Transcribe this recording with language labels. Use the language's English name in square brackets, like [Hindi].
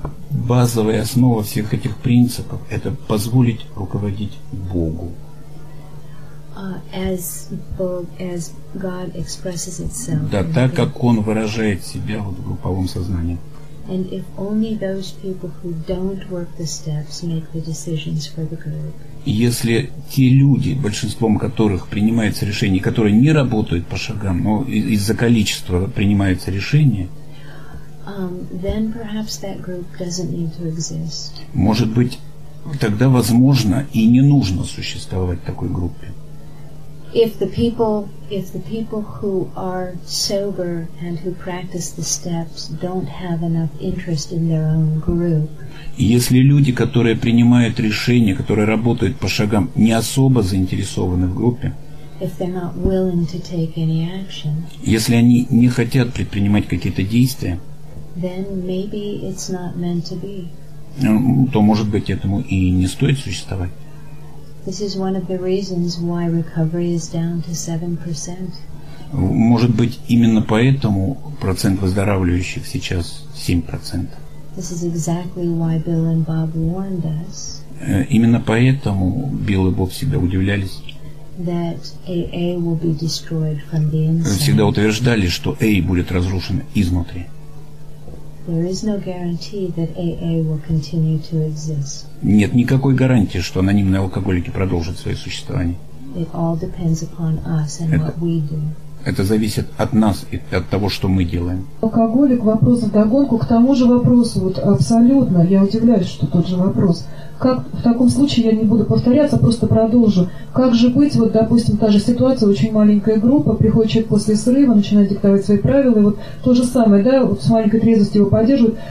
[Russian] Базовая основа всех этих принципов – это позволить руководить Богу. [English] As God expresses itself. [Russian] Да, так как Он выражает себя в групповом сознании. [English] And if only those people who don't work the steps make the decisions for the group. [Russian] Если те люди, большинством которых принимается решение, которые не работают по шагам, но из-за количества принимается решение, [English] then perhaps that group doesn't need to exist. [Russian] Может быть, тогда возможно и не нужно существовать такой группе. [English] If the people who are sober and who practice the steps don't have enough interest in their own group. [Russian] Если люди, которые принимают решения, которые работают по шагам, не особо заинтересованы в группе. [English] If they're not willing to take any action. [Russian] Если они не хотят предпринимать какие-то действия. [English] Then maybe it's not meant to be. [Russian] То, может быть, этому и не стоит существовать. [English] This is one of the reasons why recovery is down to 7%. [Russian] Может быть, именно поэтому процент выздоравливающих сейчас 7%. [English] This is exactly why Bill and Bob warned us. [Russian] Именно поэтому Билл и Боб всегда удивлялись. [English] That AA will be destroyed from the inside. [Russian] Всегда утверждали, что AA будет разрушен изнутри. [English] There is no guarantee that AA will continue to exist. [Russian] Нет никакой гарантии, что анонимные алкоголики продолжат свое существование. [English] It all depends upon us and what we do. [Russian] Это зависит от нас и от того, что мы делаем. Алкоголик, вопрос вдогонку к тому же вопросу, вот абсолютно, я удивляюсь, что тот же вопрос. Как в таком случае, я не буду повторяться, просто продолжу. Как же быть, вот, допустим, та же ситуация, очень маленькая группа, приходит человек после срыва, начинает диктовать свои правила, и вот то же самое, да, вот с маленькой трезвостью его поддерживают.